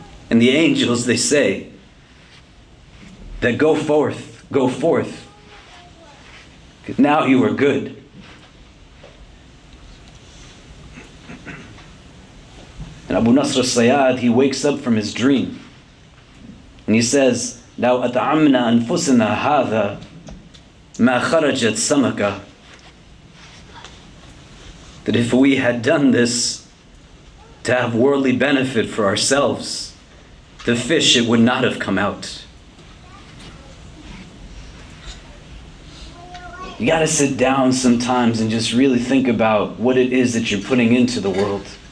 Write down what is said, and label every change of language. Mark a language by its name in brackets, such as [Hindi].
[English] And the angels, they say, that go forth, go forth. Now you are good. And Abu Nasr al-Sayyad, he wakes up from his dream. And he says, [Arabic] لَوْ أَطْعَمْنَا أَنفُسَنَا هَذَا مَا خَرَجَتْ سَمَكَ. [English] That if we had done this to have worldly benefit for ourselves, the fish, it would not have come out. You gotta sit down sometimes and just really think about what it is that you're putting into the world.